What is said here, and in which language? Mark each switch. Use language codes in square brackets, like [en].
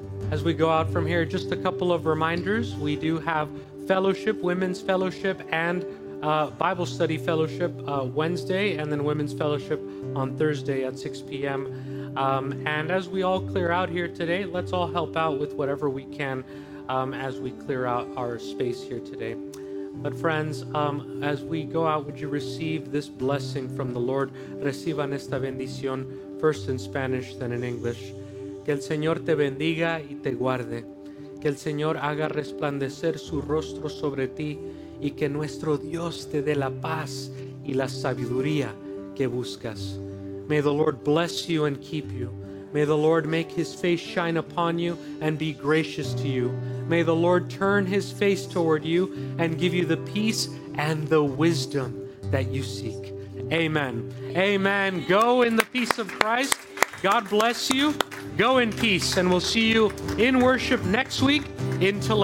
[en] As we go out from here, just a couple of reminders. We do have fellowship, women's fellowship, and Bible study fellowship Wednesday, and then women's fellowship on Thursday at 6 p.m. And as we all clear out here today, let's all help out with whatever we can as we clear out our space here today. But friends, as we go out, would you receive this blessing from the Lord? [es] Reciban esta bendición, [en] first in Spanish, then in English. [es] Que el Señor te bendiga y te guarde. Que el Señor haga resplandecer su rostro sobre ti y que nuestro Dios te dé la paz y la sabiduría que buscas. [en] May the Lord bless you and keep you. May the Lord make his face shine upon you and be gracious to you. May the Lord turn his face toward you and give you the peace and the wisdom that you seek. Amen. Amen. Go in the peace of Christ. God bless you. Go in peace. And we'll see you in worship next week in Tulare.